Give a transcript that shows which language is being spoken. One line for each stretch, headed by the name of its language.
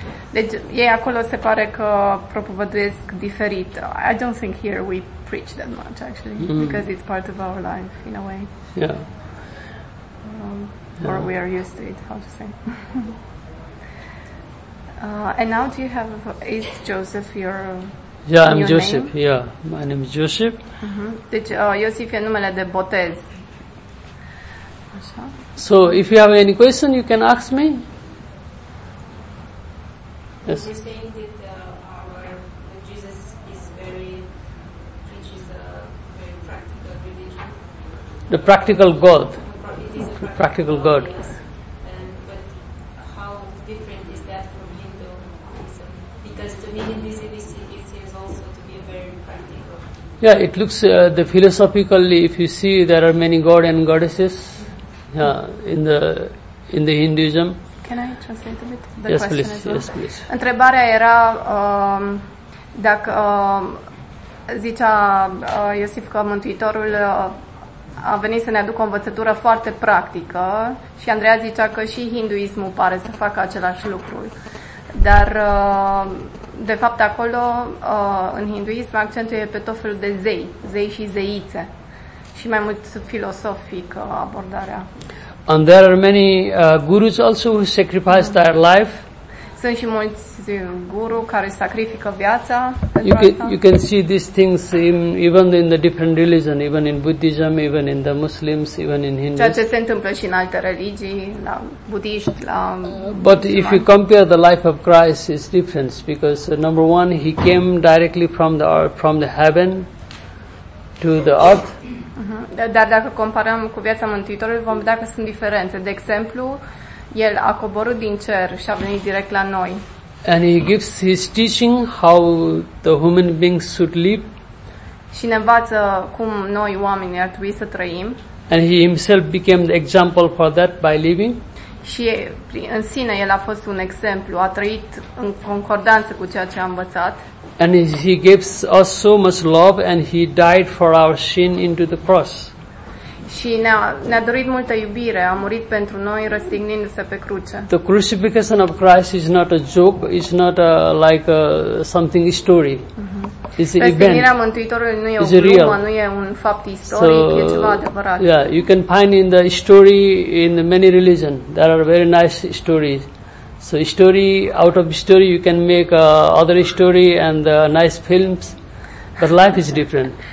Romanian: Deci ei acolo se pare că propovăduiesc diferit.
English: I don't think here we preach that much actually, because it's part of our life in a way. Or we are used to it, how to say. And now do you have, is Joseph your name? Yeah, I'm Joseph, name? Yeah. My name is Joseph.
Romanian: Uh-huh. Deci Iosif e numele de botez. Așa.
English: So if you have any question you can ask me. Yes. You're saying that Jesus is very, preaches a very practical religion. The practical God. It is a practical God. Yes. But how different is that from Hinduism? Because to me in this city it seems also to be a very practical. Yeah, it looks the philosophically, if you see there are many God and goddesses in the Hinduism. Can I translate a bit? The yes, question please, as well. Yes, please.
Romanian: Întrebarea era dacă zicea Iosif că Mântuitorul a venit să ne aducă o învățătură foarte practică și Andreea zicea că și hinduismul pare să facă același lucru. Dar, de fapt, acolo, în hinduism, accentul e pe tot felul de zei, zei și zeițe. Și mai mult filosofică abordarea.
English: And there are many gurus also who sacrifice their life.
Romanian: Sunt și mulți guru care sacrifică viața.
English: You can see these things even in the different religions, even in Buddhism, even in the Muslims, even in Hindus.
Romanian: Ceea ce se întâmplă și în alte religii, la budiști, la
English: But if you compare the life of Christ, it's different because number one, he came directly from the heaven to the earth.
Romanian: Dar dacă comparăm cu viața Mântuitorului, vom vedea că sunt diferențe. De exemplu, el a coborât din cer și a venit direct la noi.
English: And he gives his teaching how the human beings should live.
Romanian: Și ne învață cum noi oamenii ar trebui să trăim.
English: And he himself became the example for that by living.
Romanian: Și în sine el a fost un exemplu, a trăit în concordanță cu ceea ce a învățat.
English: And he gives us so much love and he died for our sin into the cross.
Romanian: Și ne-a dorit multă iubire, a murit pentru noi răstignindu-se pe cruce.
English: The crucifixion of Christ is not a joke, it's not a, like a, something story.
Romanian: Răstignirea Mântuitorului nu e o glumă, nu e un fapt istoric,
English: so,
Romanian: e ceva adevărat.
English: Yeah, you can find in the story in many religions. There are very nice stories. So story, out of story, you can make other story and nice films, but life is different.